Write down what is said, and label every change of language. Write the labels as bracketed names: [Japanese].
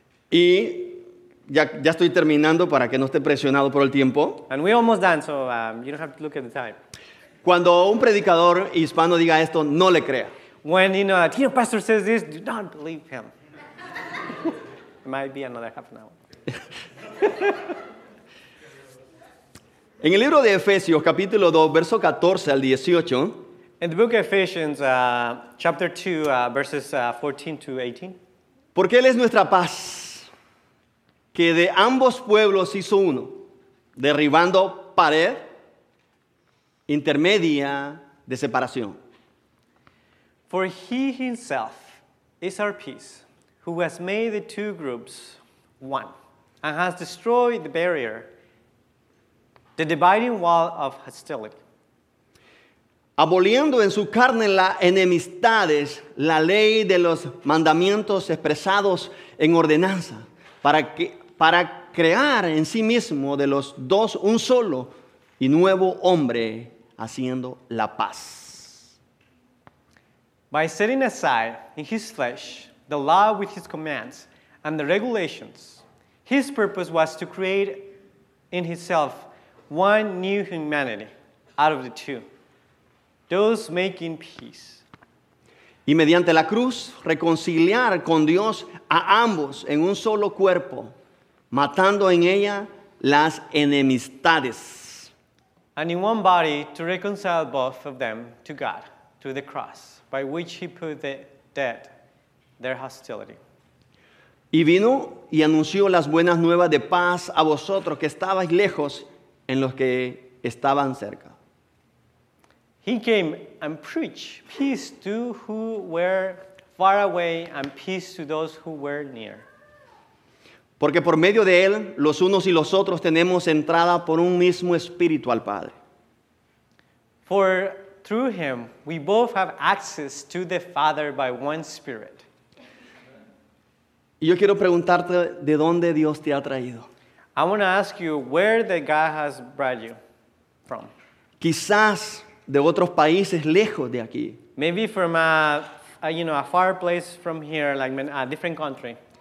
[Spanish] Y ya estoy terminando para que no esté presionado por el tiempo. [English] And we're almost done, so you don't have to look at the time. [Spanish] Cuando un predicador hispano diga esto, no le crea. [English] When you know, a Latino pastor says this, do not believe him. It might be another half an hour. [Spanish] En el libro de Efesios, capítulo 2, verso 14 al 18. [English] In the book of Ephesians, chapter 2, verses 14 to 18. [Spanish] Porque Él es nuestra paz, que de ambos pueblos hizo uno, derribando pared intermedia de separación. [English] For He Himself is our peace, who has made the two groups one, and has destroyed the barrier, the dividing wall of hostility. [Spanish] Aboliendo en su carne las enemistades, la ley de los mandamientos expresados en ordenanza, para crear en sí mismo de los dos un solo y nuevo hombre, haciendo la paz. [English] By setting aside in his flesh the law with his commands and the regulations, his purpose was to create in himself one new humanity out of the two, those making peace. [Spanish] Y mediante la cruz, reconciliar con Dios a ambos en un solo cuerpo, matando en ella las enemistades. [English] And in one body, to reconcile both of them to God through the cross, by which he put the dead, their hostility. [Spanish] Y vino y anunció las buenas nuevas de paz a vosotros que estabais lejos, en los que estaban cerca. [English] He came and preached peace to who were far away and peace to those who were near. [Spanish] Porque por medio de él, los unos y los otros tenemos entrada por un mismo espíritu al Padre. [English] For through him, we both have access to the Father by one Spirit. [Spanish] Y yo quiero preguntarte de dónde Dios te ha traído. [English] I want to ask you where the God has brought you from. [Spanish] Quizás de otros países lejos de aquí. [English] Maybe from a far place from here, like a different country.